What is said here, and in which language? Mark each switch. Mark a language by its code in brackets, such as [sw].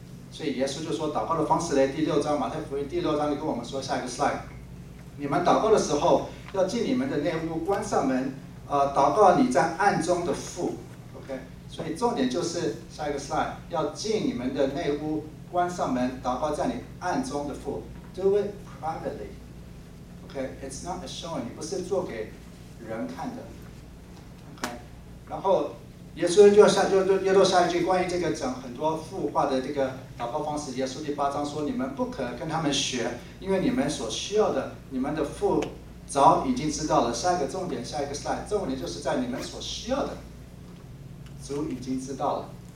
[zh] 所以耶稣就说祷告的方式，第六章马太福音第六章就跟我们说，下一个 slide， 你们祷告的时候要进你们的内屋，关上门，祷告你在暗中的父。所以重点就是下一个 slide， 要进你们的内屋，关上门，祷告在你暗中的父。 [en] Do it privately， OK， it's not a showing， [zh] 不是做给人看的。 OK， 然后耶稣就下一句关于这个讲很多复话的这个祷告方式，耶稣第八章说，你们不可跟他们学，因为你们所需要的你们的父早已经知道了。下一个重点，下一个 slide， 重点就是在你们所需要的主已经知道了。